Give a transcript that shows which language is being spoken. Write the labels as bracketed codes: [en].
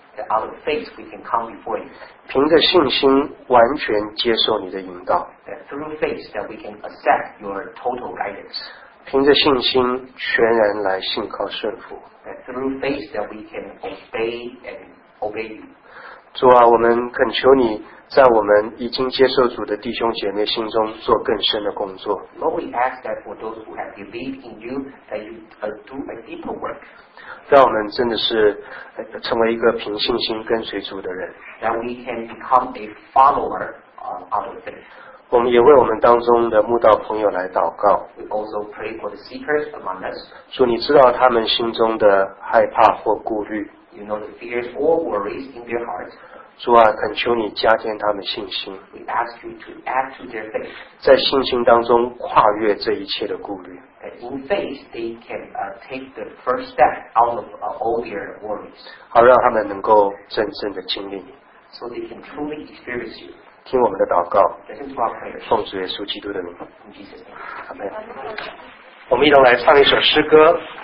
[en] Out of faith, we can come before you. [zh] 凭着信心完全接受你的引导。 [en] That through faith, that we can accept your total guidance. [zh] 凭着信心全然来信靠顺服。 [en] That through faith, that we can obey and obey you. [zh] 主啊，我们恳求你在我们已经接受主的弟兄姐妹心中做更深的工作。 [en] Lord, we ask that for those who have believed in you, that you do a deeper work. [zh] 让我们真的是成为一个凭信心跟随主的人。 [en] That we can become a follower out of faith. [zh] 我们也为我们当中的慕道朋友来祷告。 [en] We also pray for the seekers among us. [zh] 主，你知道他们心中的害怕或顾虑。 [en] You know the fears or worries in their hearts. [zh] 主啊，恳求你加添他们信心。 [en] We ask you to add to their faith. [zh] 在信心当中跨越这一切的顾虑。 [en] That in faith they can take the first step out of all their worries. [zh] 好，让他们能够真正的经历你。 [en] So they can truly experience you. [zh] 听我们的祷告。 [en] Listen to our prayer. [zh] 奉主耶稣基督的名。 [en] In Jesus' name. Amen. [zh] 我们一同来唱一首诗歌。